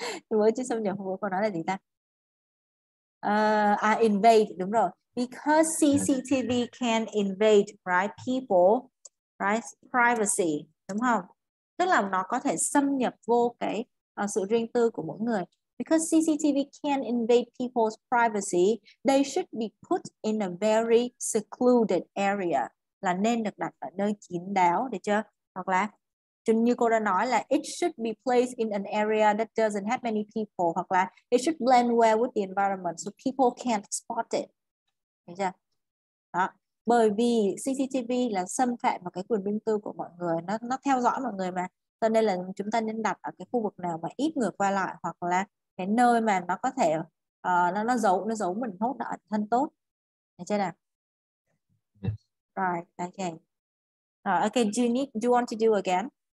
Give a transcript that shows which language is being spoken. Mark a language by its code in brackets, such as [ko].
[vi] Với chữ xâm nhập không có câu nói là gì ta? [en] Invade, [vi] đúng rồi. [en] Because CCTV can invade right people. Right? [vi] Privacy, đúng không? Tức là nó có thể xâm nhập vô cái sự riêng tư của mỗi người. [en] Because CCTV can invade people's privacy, they should be put in a very secluded area. [vi] Là nên được đặt ở nơi kín đáo, được chưa? Hoặc là, như cô đã nói là [en] it should be placed in an area that doesn't have many people. [vi] Hoặc là [en] it should blend well with the environment so people can't spot it. [vi] Được chưa? Đó. Bởi vì CCTV là xâm phạm vào cái quyền riêng tư của mọi người, nó theo dõi mọi người mà. Cho nên là chúng ta nên đặt ở cái khu vực nào mà ít người qua lại, hoặc là cái nơi mà nó có thể nó giấu mình tốt, nó ẩn thân tốt. Được chưa nào? [en] Yes. Right, okay. Rồi, okay, do you want to do again?